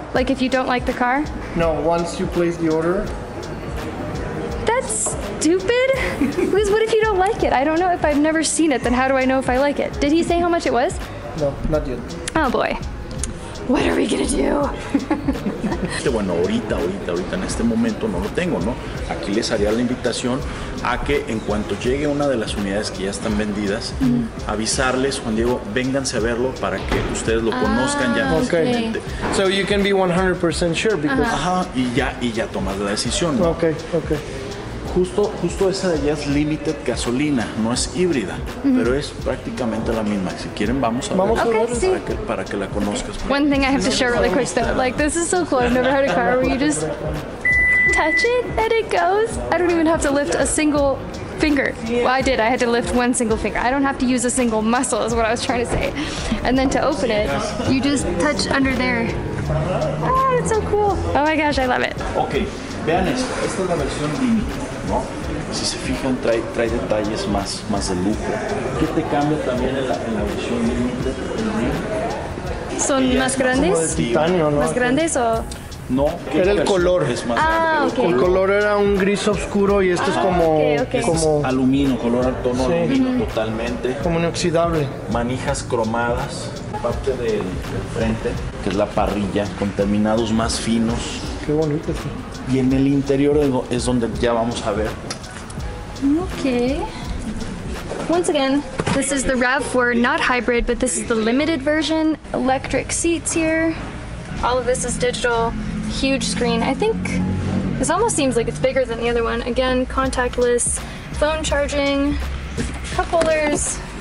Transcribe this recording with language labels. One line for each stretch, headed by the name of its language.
English: Like if you don't like the car? No, once you place the order. That's stupid, because what if you don't like it? I don't know, if I've never seen it, then how do I know if I like it? Did he say how much it was? No, not yet. Oh boy, what are we gonna do?
Spanish: Bueno, ahorita, en este momento no lo tengo, ¿no? Aquí les haría la invitación a que en cuanto llegue una de las unidades que ya están vendidas, avisarles, Juan Diego, vénganse a verlo para que ustedes lo conozcan ya.
English: Okay. So you can be 100% sure because...
Spanish: Ajá, y ya tomas la decisión,
English: ¿no? Okay, okay.
Spanish: Justo esa de allá es limited gasolina, no es híbrida, pero es prácticamente la misma. Si quieren, vamos a ver para que la conozcas.
English: One thing I have to share really quick, though. Like, this is so cool. I've never had a car where you just touch it and it goes. I don't even have to lift a single finger. Well, I did. I had to lift one single finger. I don't have to use a single muscle, is what I was trying to say. And then to open it, you just touch under there. Ah, oh, it's so cool. Oh my gosh, I love it. Okay.
Spanish: Vean esto, esta es la versión límite, ¿no? Si se fijan, trae detalles más de lujo. ¿Qué te cambia también en la versión límite? ¿Son más grandes? Titanio, ¿no? ¿Más grandes o...? No, era el color. Es más grande. El color era un gris oscuro y esto es como...
English: Okay.
Spanish: Como este es aluminio, color al tono sí. Aluminio totalmente. Como inoxidable. Manijas cromadas. Parte del frente, que es la parrilla, con terminados más finos. Qué bonito, sí. Y en el interior es donde ya vamos a ver.
English: Okay. Once again, this is the RAV4, not hybrid, but this is the limited version. electric seats here. All of this is digital, huge screen. I think this almost seems like it's bigger than the other one. Again, contactless, phone charging, cup holders.